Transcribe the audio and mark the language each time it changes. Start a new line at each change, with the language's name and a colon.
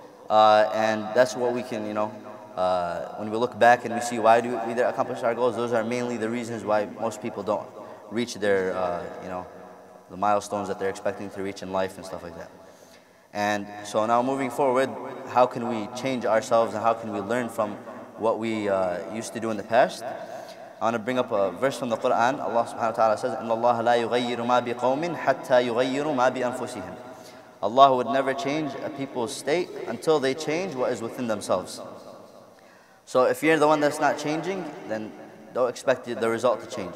English: And that's what we can, you know, when we look back and we see why do we accomplish our goals, those are mainly the reasons why most people don't reach their, you know, the milestones that they're expecting to reach in life and stuff like that. And so now moving forward, how can we change ourselves and how can we learn from what we used to do in the past? I want to bring up a verse from the Quran.
Arabic: Allah subhanahu wa ta'ala says, إِنَّ اللَّهَ لَا يُغَيِّرُ مَا بِقَوْمٍ حَتَّى يُغَيِّرُ مَا بِأَنفُسِهِمْ.
English: Allah would never change a people's state until they change what is within themselves. So if you're the one that's not changing, then don't expect the result to change.